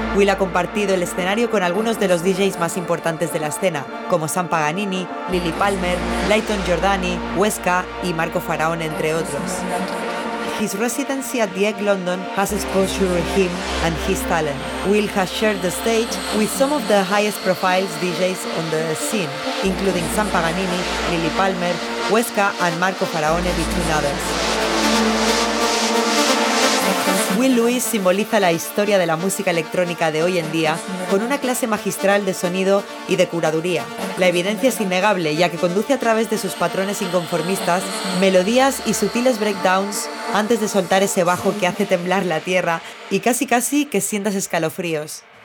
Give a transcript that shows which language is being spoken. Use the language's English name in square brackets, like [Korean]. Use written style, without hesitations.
[Spanish] Will ha compartido el escenario con algunos de los DJs más importantes de la escena, como Sam Paganini, Lily Palmer, Lighton Giordani, Wesca y Marco Faraón, entre otros. [English] His residency at The Egg London has exposed him and his talent. Will has shared the stage with some of the highest profiles DJs on the scene, including Sam Paganini, Lily Palmer, Wesca and Marco Faraón, between others. [Spanish] Will Lewis simboliza la historia de la música electrónica de hoy en día con una clase magistral de sonido y de curaduría. La evidencia es innegable, ya que conduce a través de sus patrones inconformistas, melodías y sutiles breakdowns antes de soltar ese bajo que hace temblar la tierra y casi casi que sientas escalofríos.